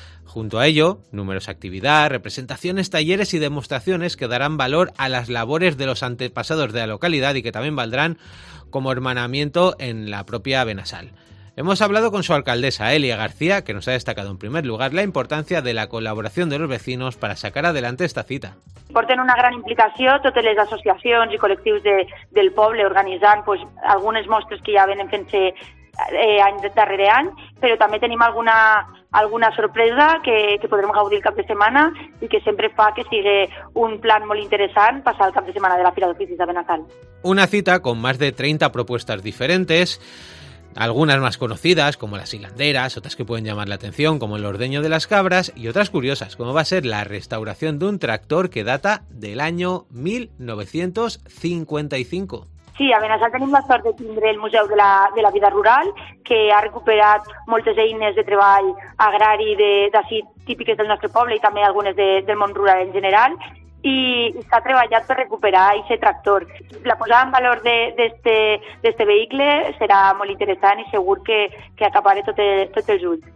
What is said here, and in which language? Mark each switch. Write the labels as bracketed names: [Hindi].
[Spanish] Junto a ello, numerosas actividades, representaciones, talleres y demostraciones que darán valor a las labores de los antepasados de la localidad y que también valdrán como hermanamiento en la propia Benassal. Hemos hablado con su alcaldesa, Elia García, que nos ha destacado en primer lugar la importancia de la colaboración de los vecinos para sacar adelante esta cita. [Catalan] Porten una gran implicación totes les associacions i col·lectius del poble organitzant pues, algunes mostres que ja venen fent-se any darrere any, però també tenim alguna sorpresa que podrem gaudir el cap de setmana i que sempre fa que sigui un plan molt interessant passar el cap de setmana de la Fira d'Oficis de Benassal. [Spanish] Una cita con más de 30 propuestas diferentes, algunas más conocidas, como las hilanderas, otras que pueden llamar la atención, como el ordeño de las cabras, y otras curiosas, como va a ser la restauración de un tractor que data del año 1955. [Catalan] Sí, a Benassal tenim la sort de tindre el Museu de la Vida Rural, que ha recuperat moltes eines de treball agrari d'ací típiques del nostre poble i també algunes del món rural en general, i s'ha treballat per recuperar aquest tractor. La posada en valor d'este vehicle serà molt interessant i segur que acabaré tot el juny.